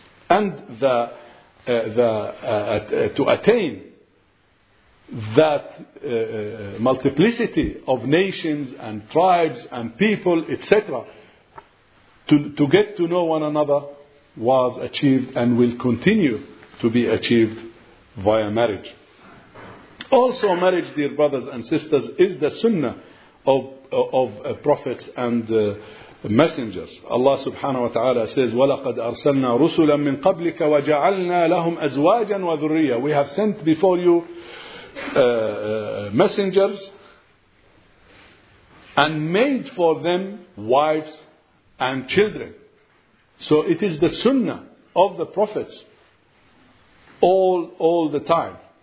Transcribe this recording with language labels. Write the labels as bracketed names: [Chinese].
[English] And to attain that multiplicity of nations and tribes and people, etc., to get to know one another was achieved and will continue to be achieved via marriage. Also, marriage, dear brothers and sisters, is the sunnah of prophets and messengers. Allah subhanahu wa ta'ala says, [Arabic] وَلَقَدْ أَرْسَلْنَا رُسُلًا مِّن قَبْلِكَ وَجَعَلْنَا لَهُمْ أَزْوَاجًا وَذُرِّيَّةً. [English] We have sent before you messengers and made for them wives and children. So it is the sunnah of the prophets all the time.